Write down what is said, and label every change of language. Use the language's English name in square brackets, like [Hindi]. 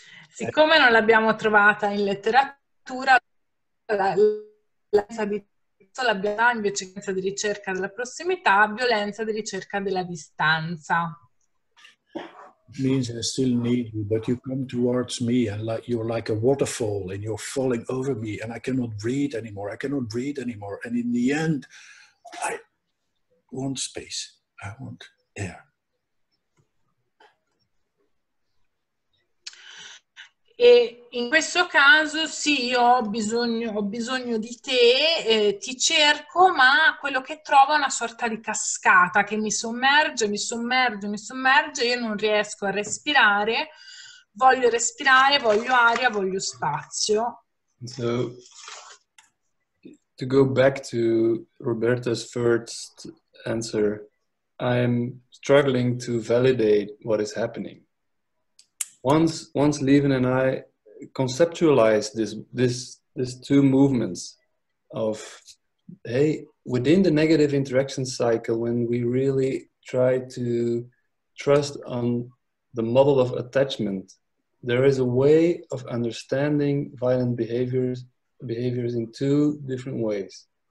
[Italian] Siccome non l'abbiamo trovata in letteratura, l'abbiamo invece violenza di ricerca della prossimità, violenza di ricerca della distanza. [English] Means I still need you, but you come towards me and like you're like a waterfall and you're falling over me and I cannot breathe anymore. And in the end, I want space, I want air. [Italian] E in questo caso sì, io ho bisogno di te, ti cerco, ma quello che trovo è una sorta di cascata che mi sommerge, io non riesco a respirare, voglio respirare, voglio aria, voglio spazio. [English] So, to go back to Roberta's first answer, I'm struggling to validate what is happening. Once Levin and I conceptualized this two movements of, hey, within the negative interaction cycle, when we really try to trust on the model of attachment, there is a way of understanding violent behaviors in two different ways.